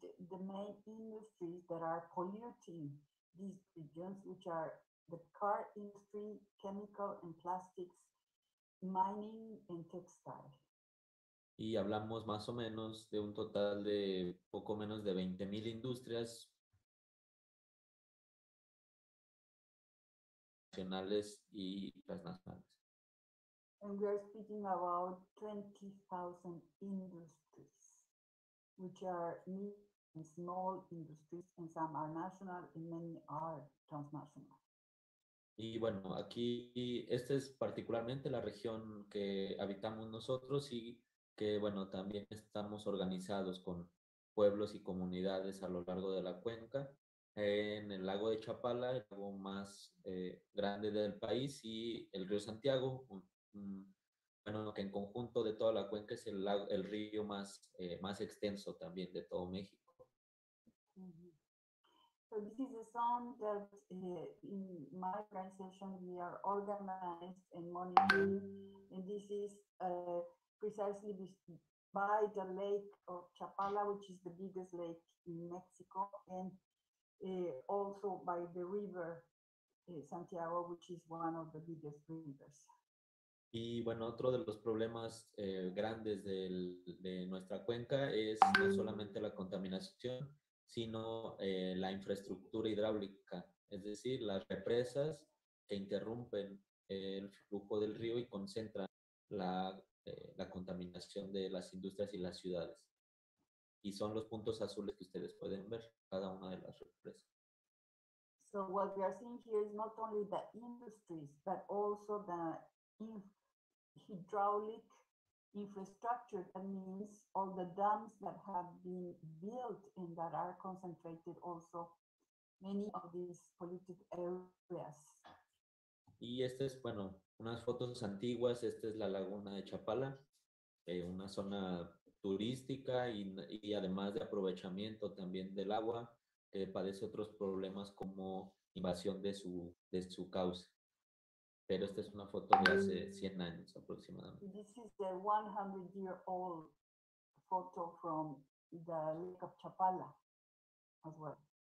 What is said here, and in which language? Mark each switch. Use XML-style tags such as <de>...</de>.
<en>the main industries that are polluting these regions, which are the car industry, chemical and plastics, mining and textile.</en> <es>Y hablamos más o menos de un total de poco menos de 20,000 industrias nacionales y transnacionales.</es> <en>And we are speaking about 20,000 industries, which are small industries, and some are national and many are transnational.</en> <es>Y bueno, aquí, esta es particularmente la región que habitamos nosotros y que bueno, también estamos organizados con pueblos y comunidades a lo largo de la cuenca, en el lago de Chapala, el lago más grande del país, y el río Santiago, bueno, que en conjunto de toda la cuenca es el río más extenso también de todo México.</es> <en>So this is a zone that in my organization we are organized and monitoring, and this is precisely this, by the lake of Chapala, which is the biggest lake in Mexico, and also by the river Santiago, which is one of the biggest rivers.</en> <es>Y bueno, otro de los problemas grandes de nuestra cuenca es no solamente la contaminación, sino la infraestructura hidráulica, es decir, las represas que interrumpen el flujo del río y concentran la contaminación de las industrias y las ciudades. Y son los puntos azules que ustedes pueden ver, cada una de las represas.</es> <en>So what we are seeing here is not only the industries, but also the hydraulic infrastructure, that means all the dams that have been built and that are concentrated also many of these polluted areas.</en> <es>Y esta es, bueno, unas fotos antiguas. Esta es la laguna de Chapala, una zona turística y además de aprovechamiento también del agua, que padece otros problemas como invasión de su cauce. Pero esta es una foto de hace 100 años aproximadamente.</es> <en>This is the 100-year-old photo from the Lake of Chapala as well.</en>